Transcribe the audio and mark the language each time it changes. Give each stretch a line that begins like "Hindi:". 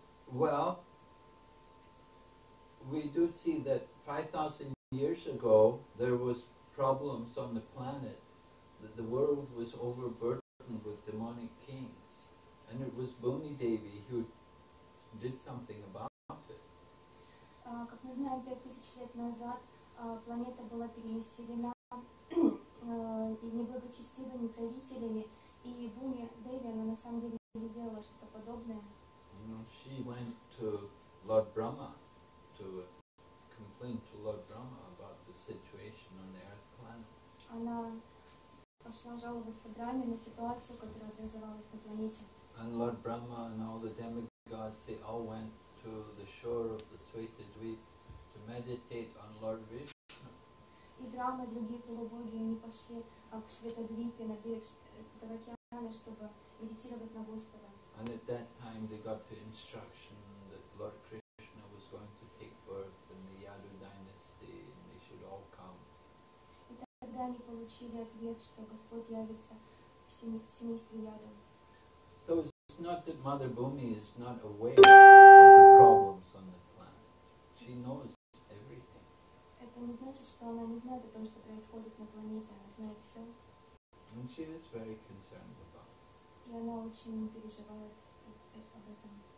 English: Well, we do see that 5,000 years ago there was problems on the planet, that the world was overburdened with demonic kings, and it was Bhumi Devi who did something about it.
Russian: Как мы знаем, 5,000 лет назад планета была перенаселена и неблагочестивыми правителями, и Бхуми Деви, она на самом деле не сделала что-то подобное.
English: She went to Lord Brahma to complain to Lord Brahma about the situation on the Earth planet.
Russian: Она пошла жаловаться Брахме на ситуацию, которая образовалась на планете.
English: And Lord Brahma and all the demigods, they all went to the shore of the Swetha Dweep to meditate on Lord Vishnu.
Russian: И Брахма, другие полубоги, они пошли к Шветадвипе, на берег этого океана, чтобы медитировать на Господа.
English: And at that time they got the instruction that Lord Krishna was going to take birth in the Yadu dynasty, and they should all come.
Russian: И тогда они получили ответ, что Господь явится в семействе Яду.
English: So it's not that Mother Bhumi is not aware of the problems on the planet. She knows.
Russian: Это не значит, что она не знает о том, что происходит на планете, она знает все.
English: And she is very concerned about.
Russian: И она очень переживает об этом.